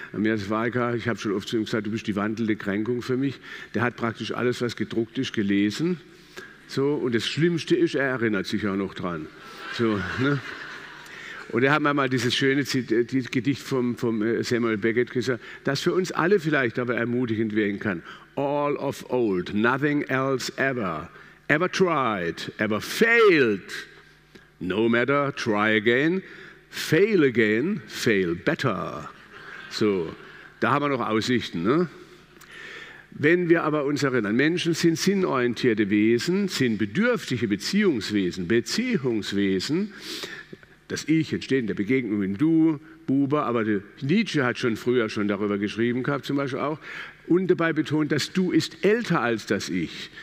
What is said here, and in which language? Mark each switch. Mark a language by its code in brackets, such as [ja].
[de] Matthias Weiger, ich habe schon oft zu ihm gesagt, du bist die wandelnde Kränkung für mich. Der hat praktisch alles, was gedruckt ist, gelesen. So, und das Schlimmste ist, er erinnert sich auch noch dran. So, ne? Und er hat mal dieses schöne Gedicht vom Samuel Beckett gesagt, das für uns alle vielleicht aber ermutigend werden kann. [en] All of old, nothing else ever, ever tried, ever failed. No matter, try again, fail again, fail better. [de] So, da haben wir noch Aussichten, ne? Wenn wir aber uns erinnern, Menschen sind sinnorientierte Wesen, sind bedürftige Beziehungswesen, Beziehungswesen. Das Ich entsteht in der Begegnung mit Du, Buber, aber Nietzsche hat schon früher schon darüber geschrieben gehabt, zum Beispiel auch, und dabei betont, dass Du ist älter als das Ich.